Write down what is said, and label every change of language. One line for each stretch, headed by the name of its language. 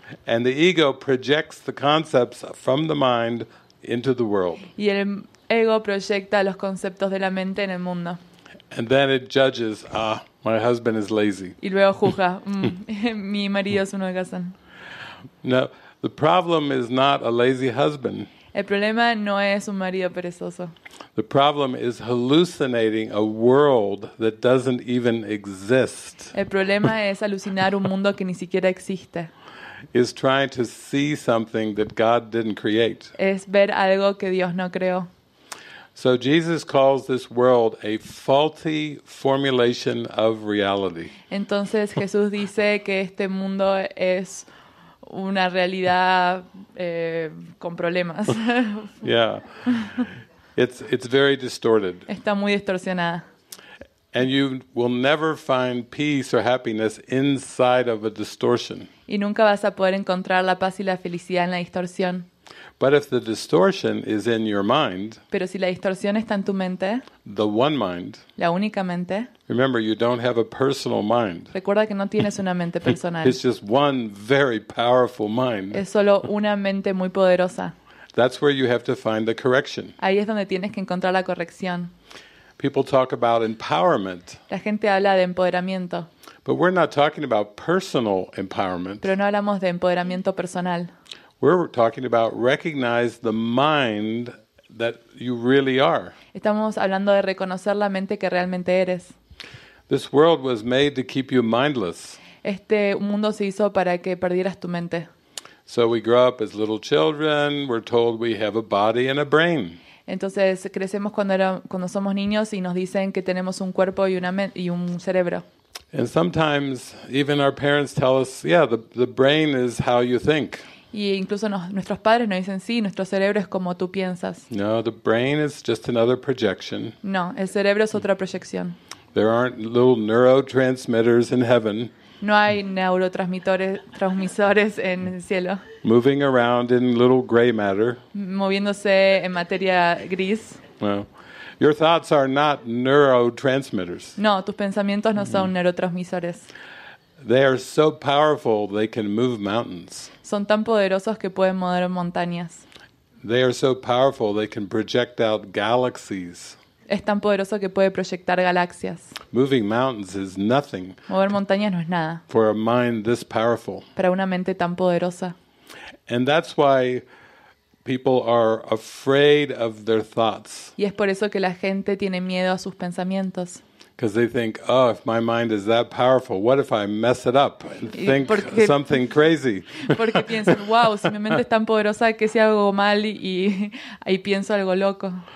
English: And the ego projects the concepts from the mind into the world.
Spanish: Y el ego proyecta los conceptos de la mente en el mundo.
English: And then it judges, my husband is lazy.
Spanish: Y luego juzga, mi marido es un holgazán.
English: No, the problem is not a lazy husband.
Spanish: El problema no es un marido perezoso.
English: The problem is hallucinating a world that doesn't even exist.
Spanish: El problema es alucinar un mundo que ni siquiera existe.
English: Is trying to see something that God didn't create.
Spanish: Es ver algo que Dios no creó.
English: So Jesus calls this world a faulty formulation of reality.
Spanish: Entonces Jesús dice que este mundo es una realidad con problemas.
English: Yeah. It's very distorted.
Spanish: Está muy distorsionada.
English: And you will never find peace or happiness inside of a distortion.
Spanish: Y nunca vas a poder encontrar la paz y la felicidad en la distorsión.
English: But if the distortion is in your mind,
Spanish: pero si la distorsión está en tu mente,
English: the one mind,
Spanish: la única mente,
English: remember you don't have a personal mind.
Spanish: Recuerda que no tienes una mente personal.
English: It's just one very powerful mind.
Spanish: Es solo una mente muy poderosa.
English: That's where you have to find the correction.
Spanish: Ahí es donde tienes que encontrar la corrección.
English: People talk about empowerment.
Spanish: La gente habla de empoderamiento.
English: But we're not talking about personal empowerment.
Spanish: Pero no hablamos de empoderamiento personal.
English: We're talking about recognize the mind that you really are.
Spanish: Estamos hablando de reconocer la mente que realmente eres.
English: This world was made to keep you mindless.
Spanish: Este mundo se hizo para que perdieras tu mente.
English: So we grow up as little children, we're told we have a body and a brain.
Spanish: Entonces crecemos cuando somos niños y nos dicen que tenemos un cuerpo y un cerebro.
English: And sometimes even our parents tell us, yeah, the brain is how you think.
Spanish: Y incluso nuestros padres nos dicen, sí, nuestro cerebro es como tú piensas.
English: No, the brain is just another projection.
Spanish: No, el cerebro es otra proyección.
English: There aren't little neurotransmitters in heaven.
Spanish: No hay neurotransmisores en el cielo.
English: Moving around in little gray matter.
Spanish: Moviéndose en materia gris.
English: No. Your thoughts are not neurotransmitters.
Spanish: No, tus pensamientos no son neurotransmisores.
English: They are so powerful they can move mountains.
Spanish: Son tan poderosos que pueden mover montañas.
English: They are so powerful they can project out galaxies.
Spanish: Es tan poderoso que puede proyectar galaxias.
English: Moving mountains is nothing.
Spanish: Mover montañas no es nada.
English: For a mind this powerful.
Spanish: Para una mente tan poderosa.
English: And that's why people are afraid of their thoughts.
Spanish: Y es por eso que la gente tiene miedo a sus pensamientos.
English: Because they think, oh, if my mind is that powerful, what if I mess it up and think something crazy?
Spanish: Porque piensan, wow, si mi mente es tan poderosa, ¿qué si hago mal y pienso algo loco?